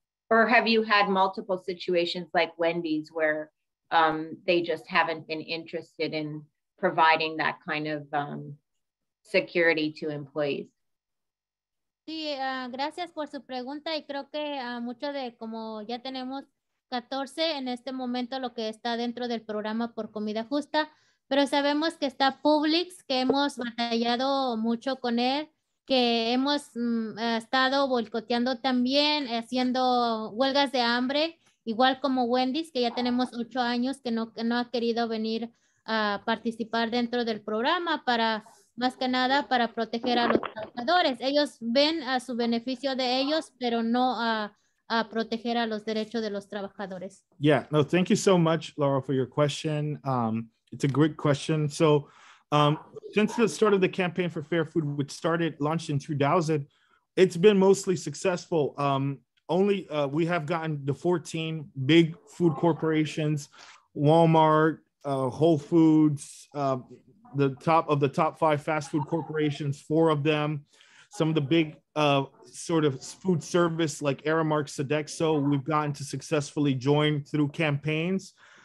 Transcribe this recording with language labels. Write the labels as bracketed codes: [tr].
[en] Or have you had multiple situations like Wendy's where they just haven't been interested in providing that kind of security to employees? [es] Sí, gracias por su pregunta. Y creo que mucho de como ya tenemos 14 en este momento lo que está dentro del programa por comida justa, pero sabemos que está Publix, que hemos batallado mucho con él, que hemos estado boicoteando también, haciendo huelgas de hambre, igual como Wendy's, que ya tenemos 8 años que no ha querido venir a participar dentro del programa para, más que nada, para proteger a los trabajadores. Ellos ven a su beneficio de ellos, pero no a proteger a los derechos de los trabajadores. [en] Yeah, no, thank you so much, Laura, for your question. It's a great question. So since the start of the campaign for fair food, which launched in 2000, it's been mostly successful. We have gotten the 14 big food corporations, Walmart, Whole Foods, the top five fast food corporations, 4 of them, some of the big sort of food service like Aramark, Sodexo, we've gotten to successfully join through campaigns.